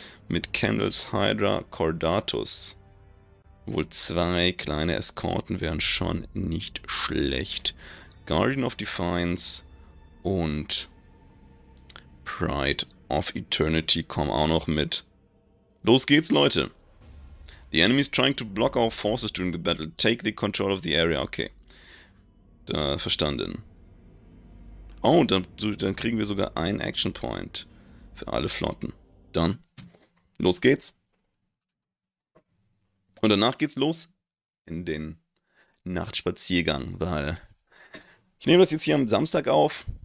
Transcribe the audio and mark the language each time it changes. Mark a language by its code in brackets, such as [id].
[de] Mit Kendall's Hydra Cordatus. Wohl zwei kleine Eskorten wären schon nicht schlecht. Guardian of Defiance und Pride of Eternity kommen auch noch mit. Los geht's, Leute! [en] The enemy is trying to block our forces during the battle. Take the control of the area. Okay. [de] Da, verstanden. Oh, und dann kriegen wir sogar einen Action Point für alle Flotten. Dann, los geht's! Und danach geht's los in den Nachtspaziergang, weil ich nehme das jetzt hier am Samstag auf.